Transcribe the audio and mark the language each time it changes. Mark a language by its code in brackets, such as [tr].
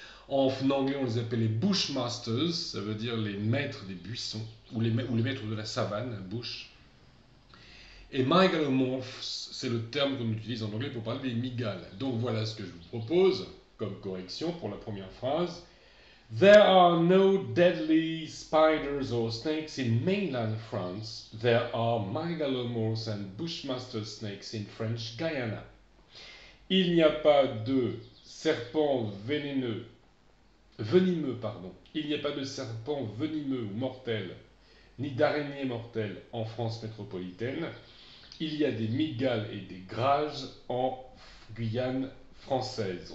[fr] En anglais, on les appelle les bushmasters, ça veut dire les maîtres des buissons, ou les maîtres de la savane, bush. Et mygalomorphs, c'est le terme qu'on utilise en anglais pour parler des mygales. Donc voilà ce que je vous propose comme correction pour la première phrase. [en] There are no deadly spiders or snakes in mainland France. There are mygalomorphs and bushmaster snakes in French Guyana. [fr] Il n'y a pas de serpents venimeux ou mortels, ni d'araignées mortelles en France métropolitaine. Il y a des mygales et des grages en Guyane française.